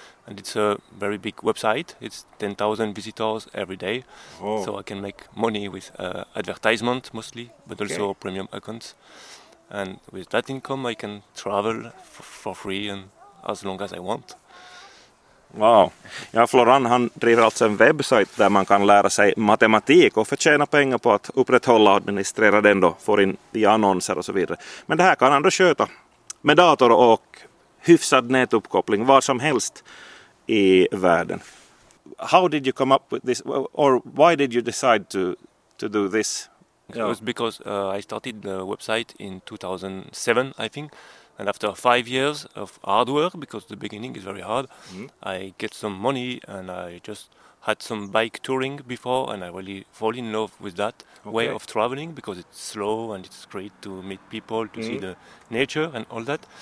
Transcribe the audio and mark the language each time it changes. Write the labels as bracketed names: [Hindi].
[English] And it's a very big website. It's 10,000 visitors every day. Whoa. So I can make money with advertisement mostly, but okay. Also premium accounts. And with that income, I can travel for free and as long as I want. Wow. [Swedish] Ja, Florent, han driver alltså en webbsajt där man kan lära sig matematik och förtjäna pengar på att upprätthålla och administrera den då, få in via annonser och så vidare. Men det här kan han då köta med dator och hyfsad nätuppkoppling var som helst i världen. [English] How did you come up with this, or why did you decide to do this? It was because I started the website in 2007, I think. And after 5 years of hard work, because the beginning is very hard, I get some money and I just had some bike touring before and I really fall in love with that way of traveling because it's slow and it's great to meet people, to see the nature and all that.